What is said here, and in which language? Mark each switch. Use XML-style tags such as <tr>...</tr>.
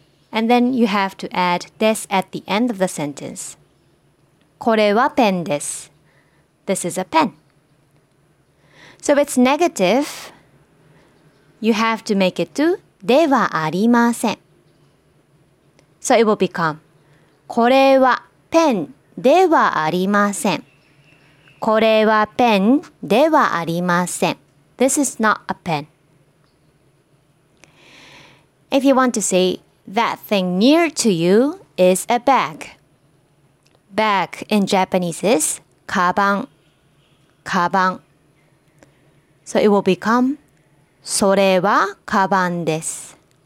<en>And then you have to add desu at the end of the sentence.</en> <ja>これはペンです.</ja> <en>This is a pen. So if it's negative, you have to make it to</en> <ja>ではありません.</ja> <en>So it will become</en> <ja>これはペンではありません. これはペンではありません.</ja> <en>This is not a pen. If you want to say that thing near to you is a bag. Bag in Japanese is kabang. Kabang. So it will become</en> <ja>それはカバンです.</ja>